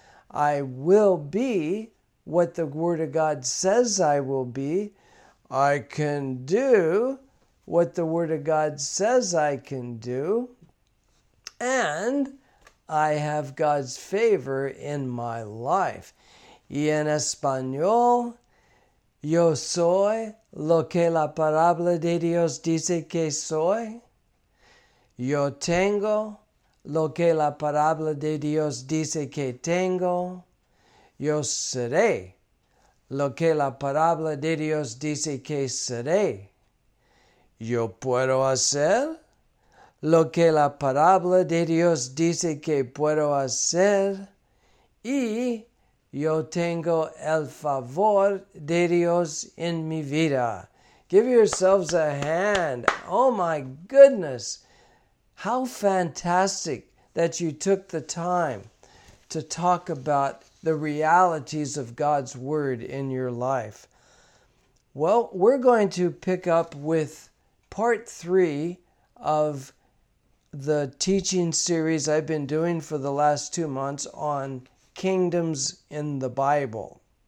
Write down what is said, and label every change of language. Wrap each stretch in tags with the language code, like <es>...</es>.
<en>I will be what the Word of God says I will be. I can do what the Word of God says I can do, and I have God's favor in my life.</en> <es>Y en español, yo soy lo que la palabra de Dios dice que soy. Yo tengo lo que la palabra de Dios dice que tengo. Yo seré lo que la palabra de Dios dice que seré. Yo puedo hacer lo que la parábola de Dios dice que puedo hacer y yo tengo el favor de Dios en mi vida.</es> <en>Give yourselves a hand. Oh my goodness. How fantastic that you took the time to talk about the realities of God's Word in your life. Well, we're going to pick up with part three of the teaching series I've been doing for the last 2 months on kingdoms in the Bible.</en>